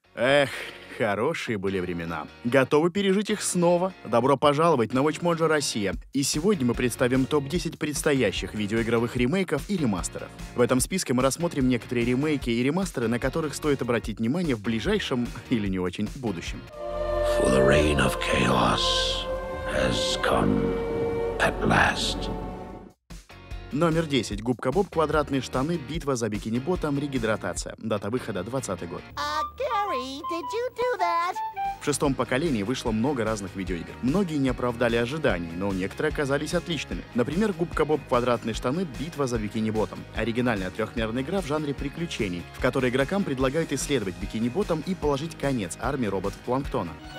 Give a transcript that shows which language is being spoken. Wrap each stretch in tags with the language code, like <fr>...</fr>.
<ru>Эх, хорошие были времена. Готовы пережить их снова? Добро пожаловать на WatchMojo Россия. И сегодня мы представим топ-10 предстоящих видеоигровых ремейков и ремастеров. В этом списке мы рассмотрим некоторые ремейки и ремастеры, на которых стоит обратить внимание в ближайшем или не очень будущем.</ru> <en>For the reign of chaos has come at last.</en> <ru>Номер 10. Губка Боб, квадратные штаны, битва за бикини-ботом, регидратация. Дата выхода 20-й год.</ru> <en>Gary, did you do that?</en> <ru>В шестом поколении вышло много разных видеоигр. Многие не оправдали ожиданий, но некоторые оказались отличными. Например, Губка Боб, квадратные штаны, битва за бикини-ботом. Оригинальная трехмерная игра в жанре приключений, в которой игрокам предлагают исследовать бикини-ботом и положить конец армии роботов-планктона.</ru>